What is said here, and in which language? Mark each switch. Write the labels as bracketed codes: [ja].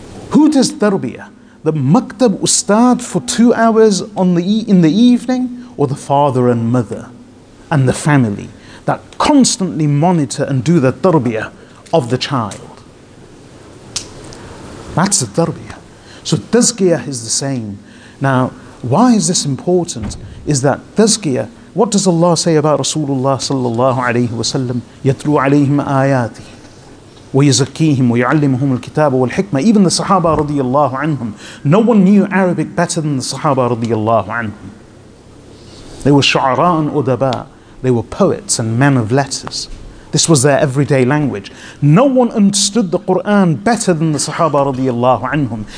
[en] Who does tarbiyah? The maktab ustad for 2 hours in the evening, or the father and mother and the family that constantly monitor and do the tarbiyah of the child? That's the tarbiyah. So tazkiyah is the same. Now, why is this important? Is that tazkiyah, what does Allah say about Rasulullah sallallahu alayhi wa sallam? [ar] يَتْلُوا عَلَيْهِمْ آيَاتِهِ ويزكيهم ويعلمهم الكتاب والحكمة. [en] Even the Sahaba رضي الله عنهم, no one knew Arabic better than the Sahaba رضي الله عنهم. They were [ar] شعراء أدباء. [en] They were poets and men of letters. This was their everyday language. No one understood the Quran better than the Sahaba رضي الله عنهم.